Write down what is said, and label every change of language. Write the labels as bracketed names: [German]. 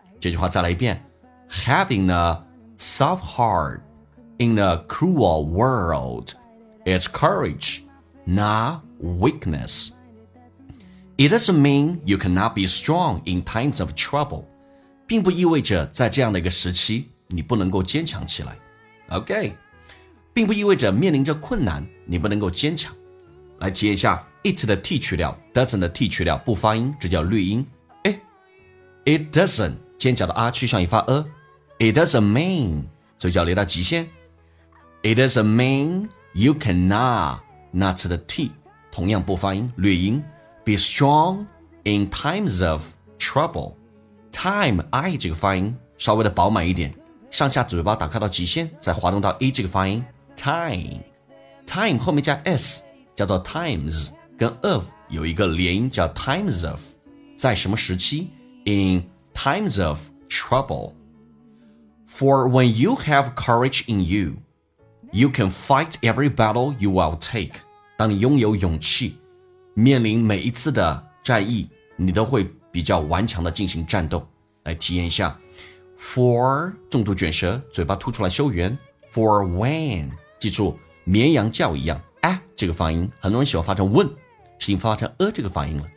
[Chinese] 这句话再来一遍 [English] having a soft heart in a cruel world, it's courage, not weakness. It doesn't mean you cannot be strong in times of trouble. [Chinese] 并不意味着在这样的一个时期你不能够坚强起来。 OK, 并不意味着面临着困难你不能够坚强。来体验一下 it 的 T 去掉， doesn't 的 T 去掉，不发音，这叫略音。诶， [English] it doesn't, [Chinese] 尖角的 R 去向一发 [English] it doesn't mean, [Chinese] 嘴角咧到极限。 [English] it doesn't mean you cannot, not 的 T, [Chinese] 同样不发音，略音。 [English] Be strong in times of trouble. [Chinese] Time, I 这个发音稍微的饱满一点，上下嘴巴打开到极限，再滑动到 E 这个发音。 Time, time 后面加 S 叫做 times, 跟 of 有一个连音叫 times of, 在什么时期 [English] in times of trouble. For when you have courage in you, you can fight every battle you will take. [Chinese] 当你拥有勇气，面临每一次的战役，你都会比较顽强地进行战斗。来体验一下 ，for 重度卷舌，嘴巴凸出来收圆 ， [English] for when [Chinese] 记住绵羊叫一样，哎，这个发音很多人喜欢发成 when， 是因为发成这个发音了。